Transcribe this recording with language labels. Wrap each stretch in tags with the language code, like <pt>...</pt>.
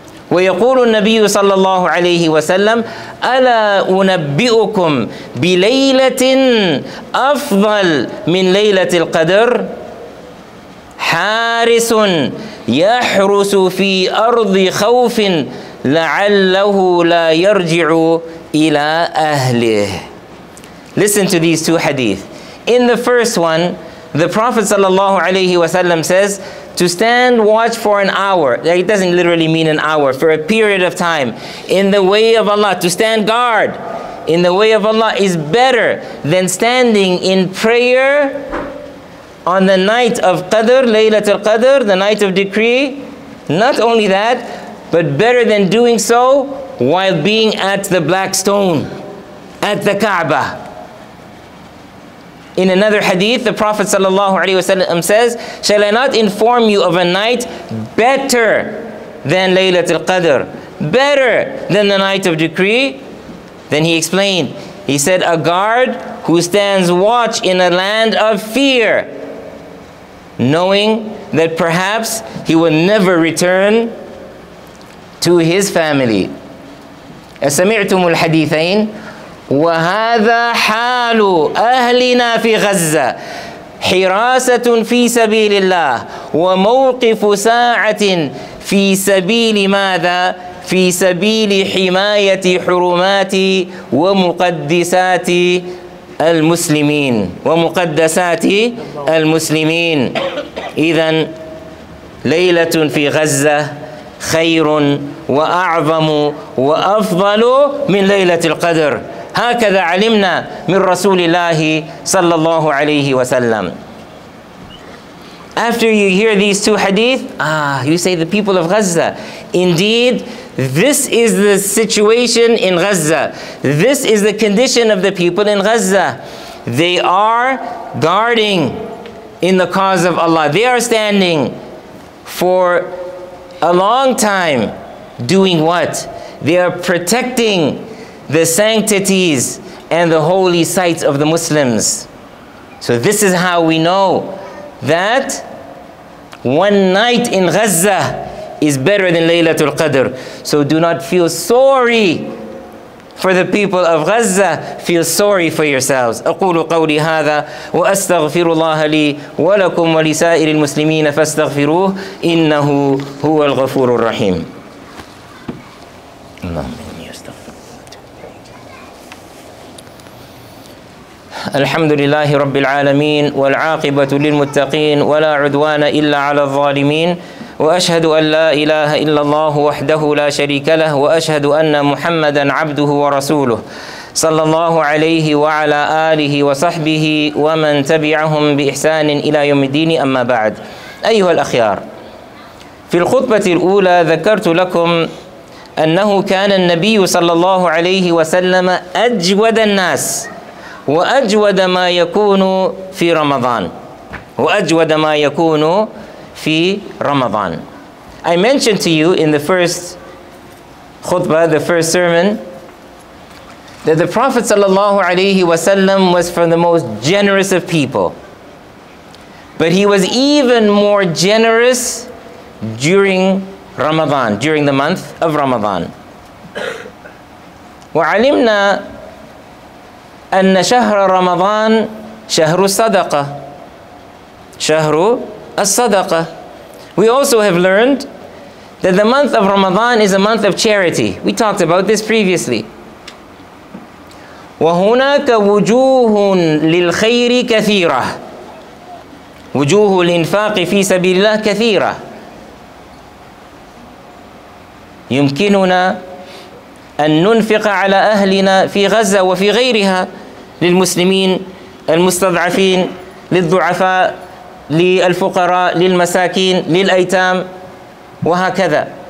<ar>ويقول النبي صلى الله عليه وسلم ألا أنبئكم بليلة أفضل من ليلة القدر؟ حارس يحرس في أرض خوف لعله لا يرجع إلى أهله.</ar> <en>Listen to these two hadith. In the first one, the Prophet</en> <ar>صلى الله عليه وسلم</ar> <en>says to stand watch for an hour. It doesn't literally mean an hour, for a period of time in the way of Allah, to stand guard in the way of Allah is better than standing in prayer on the night of Qadr, Laylatul Qadr, the night of decree. Not only that, but better than doing so while being at the black stone, at the Kaaba. In another hadith, the Prophet</en> <ar>sallallahu alaihi wasallam</ar> <en>says, shall I not inform you of a night better than Laylatul Qadr, better than the night of decree? Then he explained, he said, a guard who stands watch in a land of fear, knowing that perhaps he will never return to his family.</en> <ar>أسمعتم الحديثين؟ وهذا حال أهلنا في غزة حراسة في سبيل الله وموقف ساعة في سبيل ماذا؟ في سبيل حماية حرمات ومقدسات المسلمين ومقدسات المسلمين. إذن ليلة في غزة خير وأعظم وأفضل من ليلة القدر. هكذا علمنا من رسول الله صلى الله عليه وسلم.</ar> <en>After you hear these two hadith, you say the people of Gaza. Indeed, this is the situation in Gaza. This is the condition of the people in Gaza. They are guarding in the cause of Allah. They are standing for a long time doing what? They are protecting the sanctities and the holy sites of the Muslims. So this is how we know that one night in Gaza is better than Laylatul Qadr. So do not feel sorry for the people of Gaza. Feel sorry for yourselves.</en> <ar>أقول قولي هذا وأستغفر الله لي ولكم ولسائر المسلمين فاستغفروه إنه هو الغفور الرحيم. الحمد لله رب العالمين والعاقبة للمتقين ولا عدوان إلا على الظالمين وأشهد أن لا إله إلا الله وحده لا شريك له وأشهد أن محمدا عبده ورسوله صلى الله عليه وعلى آله وصحبه ومن تبعهم بإحسان إلى يوم الدين. أما بعد، أيها الأخيار، في الخطبة الأولى ذكرت لكم أنه كان النبي صلى الله عليه وسلم أجود الناس وأجود ما يكون في رمضان وأجود ما يكون في رمضان.</ar> <en>I mentioned to you in the first khutbah, the first sermon, that the Prophet</en> <ar>صلى الله عليه وسلم</ar> <en>was from the most generous of people. But he was even more generous during Ramadan, during the month of Ramadan.</en> <ar>وعلمنا أن شهر رمضان شهر الصدقة شهر الصدقة.</ar> <en>We also have learned that the month of Ramadan is a month of charity. We talked about this previously.</en> <ar>وهناك وجوه للخير كثيرة وجوه الإنفاق في سبيل الله كثيرة. يمكننا أن ننفق على أهلنا في غزة وفي غيرها للمسلمين المستضعفين للضعفاء للفقراء للمساكين للأيتام وهكذا.</ar>